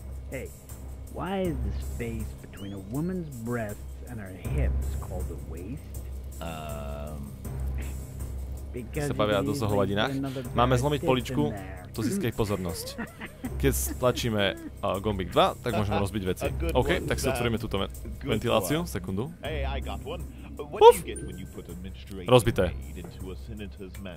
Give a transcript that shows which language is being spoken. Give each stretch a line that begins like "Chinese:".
English: Hey, why is the space between a woman's breasts and her hips called a waist? Because you need to get another breast in there.
Slovak: Máme zlomiť poličku, to získa ich pozornosť. Keď stlačíme gombík 2, tak môžeme rozbiť veci. OK, tak si otvoríme túto ventiláciu, sekundu.
English: Hey, I got one. What do you get when you put a menstruating aid into a senator's